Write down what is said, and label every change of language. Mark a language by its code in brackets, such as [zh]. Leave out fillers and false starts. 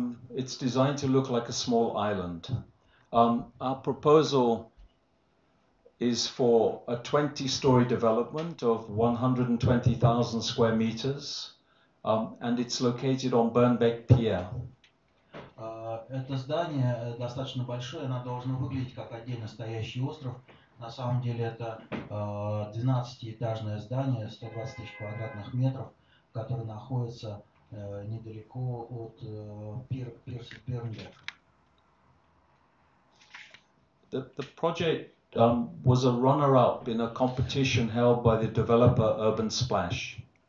[en] It's designed to look like a small island. Our proposal is for a 20-story development of 120,000 square meters, and it's located on Burnbeck Pier. [ru] Это здание достаточно большое, оно должно выглядеть как отдельно стоящий остров. На самом деле это 12-этажное здание, 120 тысяч квадратных метров, которое находится недалеко от пирса Бернбек. [en] The project was a runner-up in a competition held by the developer Urban Splash.